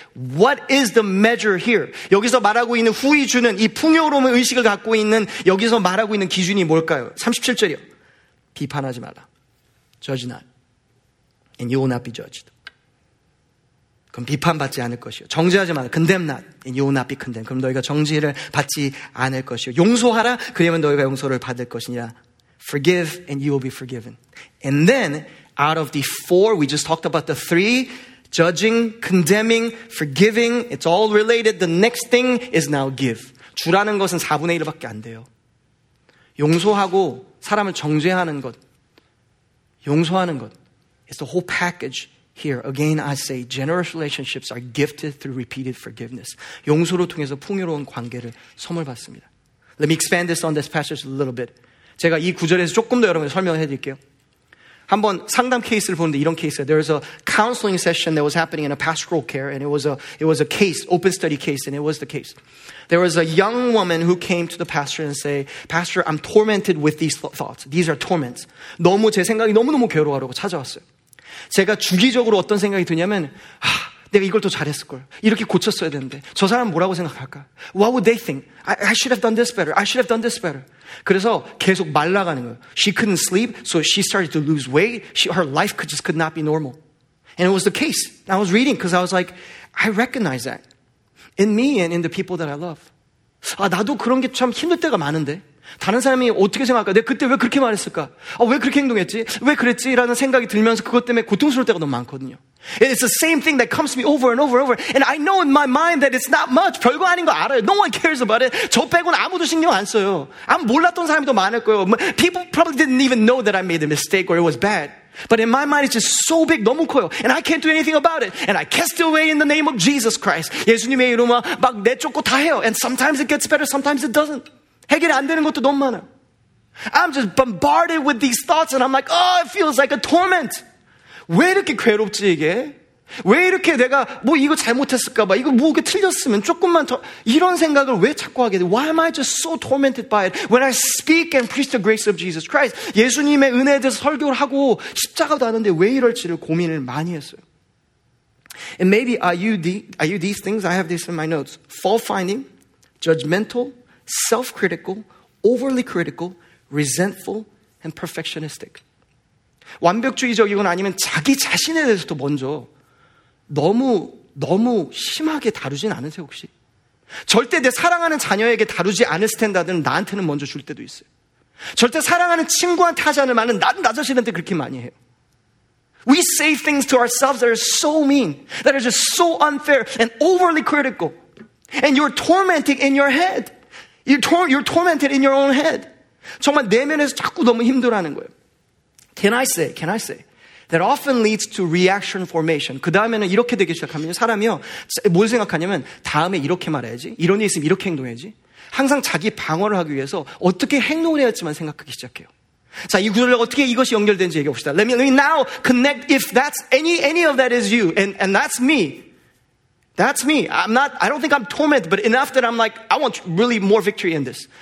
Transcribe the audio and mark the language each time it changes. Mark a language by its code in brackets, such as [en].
[en] What is the measure here? [ko] 여기서 말하고 있는 후이 주는 이 풍요로움의 의식을 갖고 있는 여기서 말하고 있는 기준이 뭘까요? 37절이요. 비판하지 말라. [en] Judge not. And you will not be judged. [ko] 그럼 비판받지 않을 것이요. 정죄하지 마라. [en] Condemn not. And you will not be condemned. [ko] 그럼 너희가 정죄를 받지 않을 것이요. 용서하라. 그러면 너희가 용서를 받을 것이니라. [en] Forgive and you will be forgiven. And then out of the four, we just talked about the three, judging, condemning, forgiving, it's all related. The next thing is now give. [ko] 주라는 것은 4분의 1밖에 안 돼요. 용서하고 사람을 정죄하는 것, 용서하는 것, [en] it's the whole package. Here, again, I say generous relationships are gifted through repeated forgiveness. [ko] 용서로 통해서 풍요로운 관계를 선물 받습니다. [en] Let me expand this on this passage a little bit. [ko] 제가 이 구절에서 조금 더 여러분 설명을 해드릴게요. 한번 상담 케이스를 보는데 이런 케이스예요. [en] There was a counseling session that was happening in a pastoral care, and it was a case, open study case, and it was the case. There was a young woman who came to the pastor and say, Pastor, I'm tormented with these thoughts. These are torments. [ko] 너무 제 생각이 너무너무 괴로워하고 찾아왔어요. 제가 주기적으로 어떤 생각이 드냐면 하, 내가 이걸 더 잘했을걸 이렇게 고쳤어야 되는데 저 사람은 뭐라고 생각할까 [en] What would they think? I should have done this better I should have done this better [ko] 그래서 계속 말라가는 거예요 [en] She couldn't sleep so she started to lose weight her life could not be normal And it was the case I was reading because I was like I recognize that in me and in the people that I love [ko] 아, 나도 그런 게 참 힘들 때가 많은데 다른 사람이 어떻게 생각할까? 내가 그때 왜 그렇게 말했을까? 아, 왜 그렇게 행동했지? 왜 그랬지? 라는 생각이 들면서 그것 때문에 고통스러울 때가 너무 많거든요. [en] And it's the same thing that comes to me over and over and over. And I know in my mind that it's not much. [ko] 별거 아닌 거 알아요. [en] No one cares about it. [ko] 저 빼고는 아무도 신경 안 써요. 아무 몰랐던 사람이 더 많을 거예요. [en] People probably didn't even know that I made a mistake or it was bad. But in my mind, it's just so big, [ko] 너무 커요. [en] And I can't do anything about it. And I cast it away in the name of Jesus Christ. [ko] 예수님의 이름으로 막 내쫓고 다 해요. [en] And sometimes it gets better, sometimes it doesn't. [ko] 해결이 안 되는 것도 너무 많아. [en] I'm just bombarded with these thoughts and I'm like, oh, it feels like a torment. [ko] 왜 이렇게 괴롭지, 이게? 왜 이렇게 내가 뭐 이거 잘못했을까 봐, 이거 뭐 이게 틀렸으면 조금만 더, 이런 생각을 왜 자꾸 하게 돼? [en] Why am I just so tormented by it? When I speak and preach the grace of Jesus Christ, [ko] 예수님의 은혜에 대해서 설교를 하고 십자가도 하는데 왜 이럴지를 고민을 많이 했어요. [en] And maybe are you these things? I have this in my notes. Fault-finding, judgmental, self-critical, overly critical, resentful, and perfectionistic. [ko] 완벽주의적이건 아니면 자기 자신에 대해서도 먼저 너무 심하게 다루진 않으세요 혹시? 절대 내 사랑하는 자녀에게 다루지 않을 스탠다드는 나한테는 먼저 줄 때도 있어요. 절대 사랑하는 친구한테 하지 않을 말은 나 자신한테 그렇게 많이 해요. [en] We say things to ourselves that are so mean, that are just so unfair and overly critical, and you're tormenting in your head. You're tormented in your own head. [ko] 정말 내면에서 자꾸 너무 힘들어하는 거예요. [en] Can I say? That often leads to reaction formation. [ko] 그 다음에는 이렇게 되기 시작하면 사람이요. 뭘 생각하냐면 다음에 이렇게 말해야지. 이런 일 있으면 이렇게 행동해야지. 항상 자기 방어를 하기 위해서 어떻게 행동을 해야 할지만 생각하기 시작해요. 자, 이 구절로 어떻게 이것이 연결되는지 얘기해 봅시다. [en] Let me now connect if that's any of that is you and that's me. That's me. I don't think I'm tormented, but enough that I'm like, I want really more victory in this.